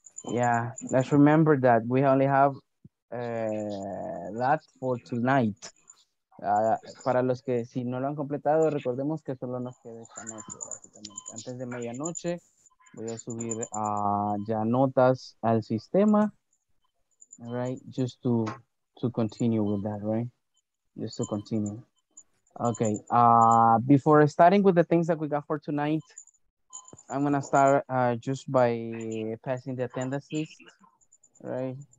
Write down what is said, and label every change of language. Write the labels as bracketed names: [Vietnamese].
[English] Yeah, let's remember that we only have that for tonight. [Spanish] Para los que si no lo han completado, recordemos que solo nos queda esta noche, básicamente. Antes de medianoche voy a subir ya notas al sistema. [English] All right, just to continue with that, right? Just to continue. Okay, before starting with the things that we got for tonight, I'm gonna start just by passing the attendance list, right?